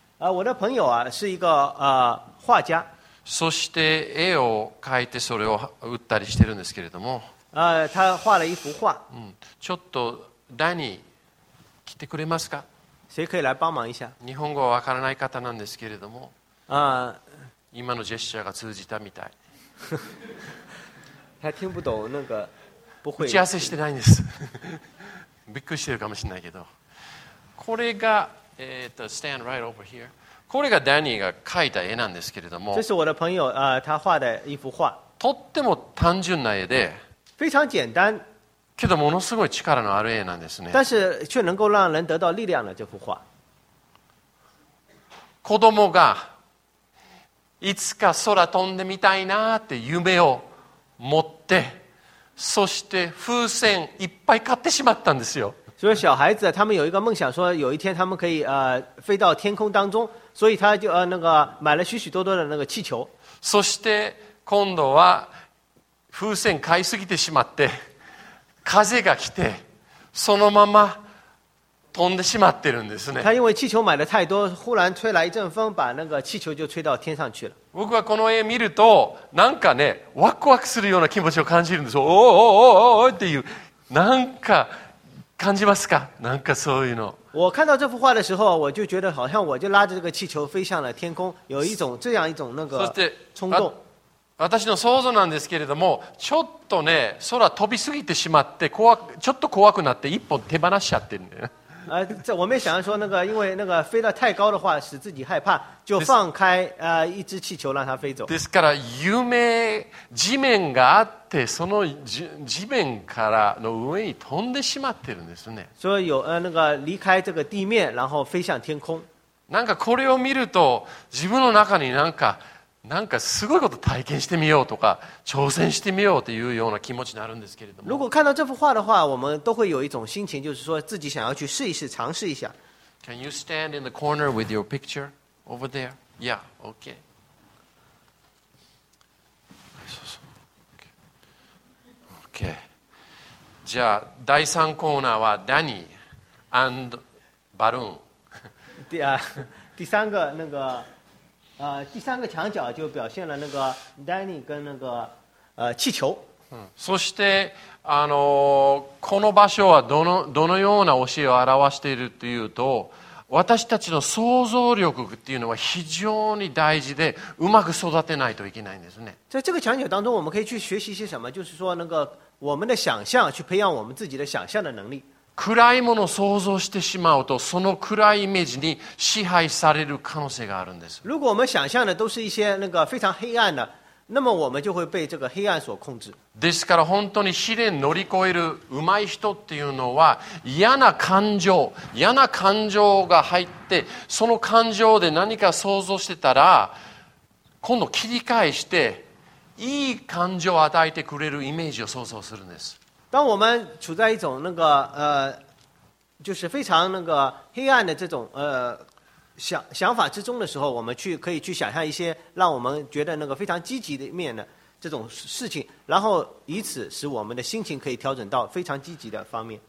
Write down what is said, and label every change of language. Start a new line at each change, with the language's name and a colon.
Chinese: 我的朋友啊是一个画家。
Japanese: そして絵を描いてそれを売ったりしてるんですけれども、
Chinese: 他画了一幅画。
Japanese: ちょっとダニー来てくれますか。
Chinese: 谁可以来帮忙一下？
Japanese: 日本語は分からない方なんですけれども、今のジェスチャーが通じたみたい。
Chinese: 他听不懂那个，不会。
Japanese: 打ち合わせしてないんです。びっくりしてるかもしれないけど、これが
English: stand right over here。
Japanese: これがダニーが描いた絵なんですけれども、
Chinese: 这是我的朋友他画的一幅画。
Japanese: とっても単純な絵で、
Chinese: 非常简单。
Japanese: けどものすごい力のある絵なんですね。
Chinese: 但是却能够让人得到力量的这幅画。
Japanese: 子供がいつか空飛んでみたいなって夢を持って、そして風船いっぱい買ってしまったんですよ。
Chinese: 所以小孩子他们有一个梦想，说有一天他们可以飞到天空当中，所以他就那个买了许许多多的那个气球。
Japanese: そして今度は風船買いすぎてしまって。風が来てそのまま飛んでしまってるんですね。
Chinese: 他因为气球买的太多，忽然吹来一阵风，把那个气球就吹到天上去了。
Japanese: 僕はこの絵見るとなんかねワクワクするような気持ちを感じるんです。おおおおおっていうなんか感じますか？なんかそういうの。
Chinese: 我看到这幅画的时候，我就觉得好像我就拉着这个气球飞向了天空，有一种这样一种那个冲动。
Japanese: 私の想像なんですけれども、ちょっとね、空飛びすぎてしまって怖、ちょっと怖くなって一本手放しちゃってるんだよ。
Chinese: 这我没想到说那个，因为那个飞得太高的话，使自己害怕，就放开一只气球让它飞走。
Japanese: ですから夢地面があってその地面からの上に飛んでしまってるんですね。
Chinese: 所以有那个离开这个地面，然后飞向天空。
Japanese: なんかこれを見ると自分の中になんか。なんかすごいこと体験してみようとか挑戦してみようというような気持ちになるんですけれども、
Chinese: 如果看到这幅画的话，我们都会有一种心情，就是说自己想要去试一试，尝试一下。
English: Can you stand in the corner with your picture over there? Yeah, okay. Okay. Okay.
Japanese: じゃあ第三コーナーはダニー and バルーン。
Chinese: 第三个那个第三个墙角就表现了那个 Danny 跟那个气球。
Japanese: そしてこの場所はどのような教えを表しているというと、私たちの想像力っていうのは非常に大事で、うまく育てないといけないんですね。
Chinese: 在这个讲解当中，我们可以去学习一些什么？就是说，那个我们的想象，去培养我们自己的想象的能力。
Japanese: 暗いものを想像してしまうと、その暗いイメージに支配される可能性があるんです。
Chinese: 如果我们想象的都是一些那个非常黑暗的，那么我们就会被这个黑暗所控制。
Japanese: ですから本当に試練乗り越えるうまい人っていうのは、嫌な感情が入って、その感情で何か想像してたら、今度切り返していい感情を与えてくれるイメージを想像するんです。
Chinese: 当我们处在一种那个就是非常那个黑暗的这种想法之中的时候，我们可以去想象一些让我们觉得那个非常积极的面的这种事情，然后以此使我们的心情可以调整到非常积极的方面。